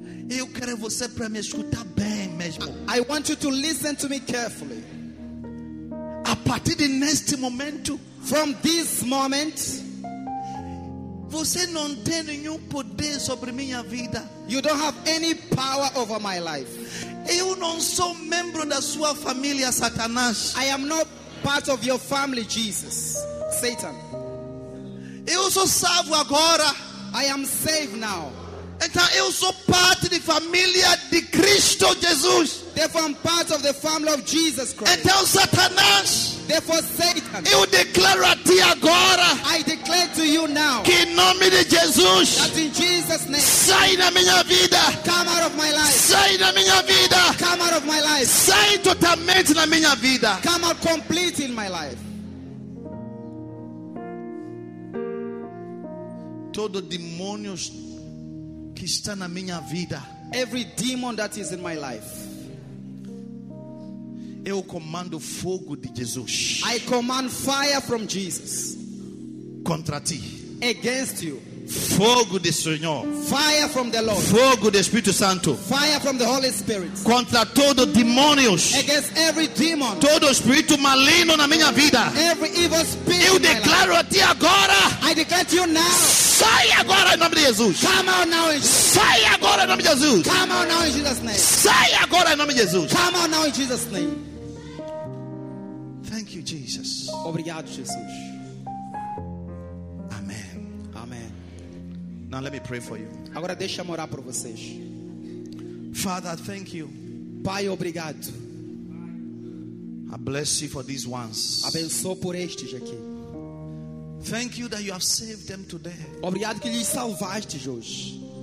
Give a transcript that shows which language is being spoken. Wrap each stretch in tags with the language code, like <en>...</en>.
<pt>Eu quero você para me escutar bem mesmo.</pt> <en>I want you to listen to me carefully.</en> <pt>A partir de neste momento,</pt> <en>from this moment,</en> <pt>você não tem nenhum poder sobre minha vida.</pt> <en>You don't have any power over my life.</en> <pt>Eu não sou membro da sua família, Satanás.</pt> <en>I am not part of your family, Jesus. Satan.</en> <pt>Eu sou salvo agora.</pt> <en>I am saved now.</en> <pt>Então eu sou parte da família de Cristo Jesus.</pt> <en>Therefore, I'm part of the family of Jesus Christ.</en> <pt>Então Satanás.</pt> <en>Therefore, Satan.</en> <pt>Eu declaro a ti agora.</pt> <en>I declare to you now.</en> <pt>Que em nome de Jesus.</pt> <en>That in Jesus' name.</en> <pt>Sai da minha vida.</pt> <en>Come out of my life.</en> <pt>Sai da minha vida.</pt> <en>Come out of my life.</en> <pt>Sai totalmente na minha vida.</pt> <en>Come out complete in my life.</en> <pt>Todo demônio que está na minha vida.</pt> <en>Every demon that is in my life.</en> <pt>Eu comando fogo de Jesus.</pt> <en>I command fire from Jesus.</en> <pt>Contra ti.</pt> <en>Against you.</en> <pt>Fogo do Senhor.</pt> <en>Fire from the Lord.</en> <pt>Fogo do Espírito Santo.</pt> <en>Fire from the Holy Spirit.</en> <pt>Contra todo demônio.</pt> <en>Against every demon.</en> <pt>Todo espírito maligno na minha vida.</pt> <en>Every evil spirit.</en> <pt>Eu declaro a ti agora.</pt> <en>I declare to you now.</en> <pt>Sai agora em nome de Jesus.</pt> <en>Come out now in Jesus.</en> <pt>Sai agora em nome de Jesus.</pt> <en>Come out now in Jesus' name.</en> <pt>Sai agora em nome de Jesus.</pt> <en>Come out now in Jesus' name. Thank you, Jesus.</en> <pt>Obrigado, Jesus.</pt> <en>Amen.</en> <pt>Amen.</pt> <en>Now let me pray for you.</en> <pt>Agora deixa eu orar por vocês.</pt> <en>Father, thank you.</en> <pt>Pai, obrigado.</pt> <en>I bless you for these ones.</en> <pt>Abençoe por estes aqui.</pt> <en>Thank you that you have saved them today.</en> <pt>Obrigado que lhes salvaste hoje.</pt>